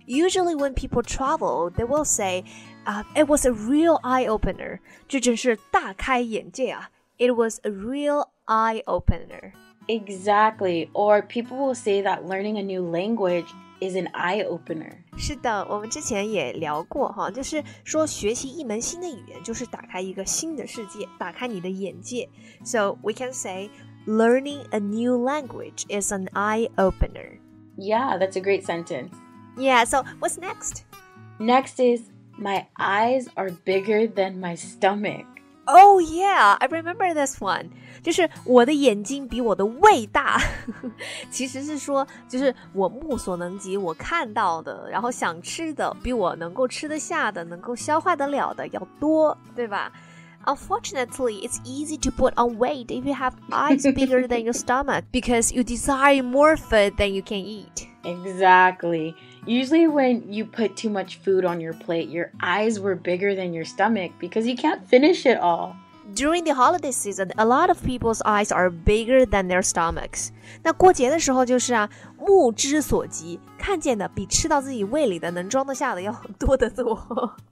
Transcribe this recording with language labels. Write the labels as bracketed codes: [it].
[en] Usually when people travel, they will say, it was a real eye-opener. [zh] 这真是大开眼界啊。 [en] It was a real eye-opener. Exactly. Or people will say that learning a new language is an eye-opener. [zh] 是的，我们之前也聊过哈，就是说学习一门新的语言就是打开一个新的世界，打开你的眼界。 [en] So we can say, learning a new language is an eye-opener. Yeah, that's a great sentence. Yeah, so what's next? Next is, my eyes are bigger than my stomach. Oh yeah, I remember this one. [zh] 就是我的眼睛比我的胃大。其实是说，就是我目所能及，我看到的，然后想吃的，比我能够吃得下的，能够消化得了的要多，对吧？ [en] Unfortunately, it's easy to put on weight if you have eyes bigger than your stomach because you desire more food than you can eat. Exactly. Usually when you put too much food on your plate, your eyes were bigger than your stomach because you can't finish it all. During the holiday season, a lot of people's eyes are bigger than their stomachs. [zh] 那过节的时候就是啊，目之所及，看见的比吃到自己胃里的能装得下的要多得多。